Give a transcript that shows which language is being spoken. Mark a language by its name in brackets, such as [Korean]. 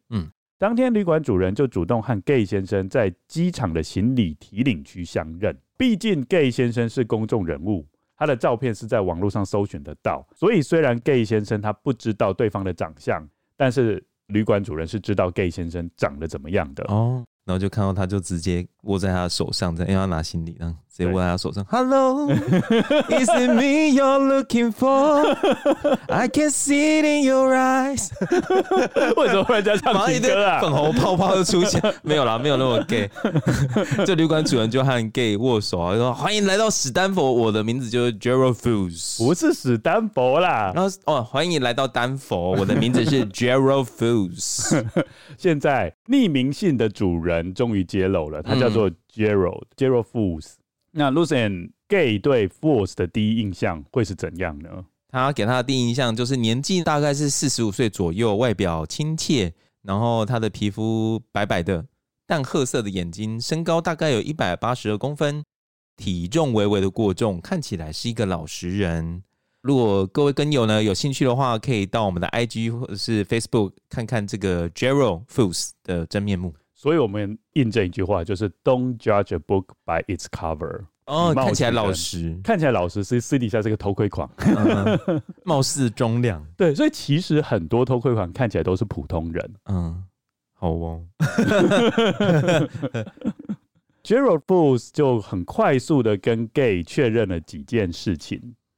[Chinese] 嗯，当天旅馆主人就主动和 Gay 先生在机场的行李提领区相认。毕竟 Gay 先生是公众人物，他的照片是在网络上搜寻得到，所以虽然 gay 先生他不知道对方的长相，但是旅馆主人是知道 gay 先生长得怎么样的。哦，然后就看到他就直接握在他的手上，因为他拿行李，然后直接握在他手上。 [English] Hello, is it me you're looking for? I can see it in your eyes. [Chinese] 为什么忽然间唱情歌啊？然后一粉红泡泡就出现。没有啦，没有那么 gay。这旅馆主人就和 gay 握手、啊、说欢迎来到史丹佛，我的名字就是 Gerald Fools。不是史丹佛啦，然后、哦、欢迎来到丹佛，我的名字是 Gerald Fools。现在匿名信的主人终于揭露了，他叫做 Gerald、嗯、Gerald Fools。那 Lucian Gay 对 Fools 的第一印象会是怎样呢？他给他的第一印象就是年纪大概是45岁左右，外表亲切，然后他的皮肤白白的淡褐色的眼睛，身高大概有182公分，体重微微的过重，看起来是一个老实人。如果各位跟友呢有兴趣的话，可以到我们的 IG 或者是 Facebook 看看这个 Gerald Fools 的真面目。所以我们印证一句话，就是 [English] Don't judge a book by its cover。 [Chinese] 哦，看起来老实，看起来老实，是私底下是个偷窥狂、嗯、貌似中量。对，所以其实很多偷窥狂看起来都是普通人。嗯，好哦。 Gerald Fools 就很快速的跟 Gay 确认了几件事情。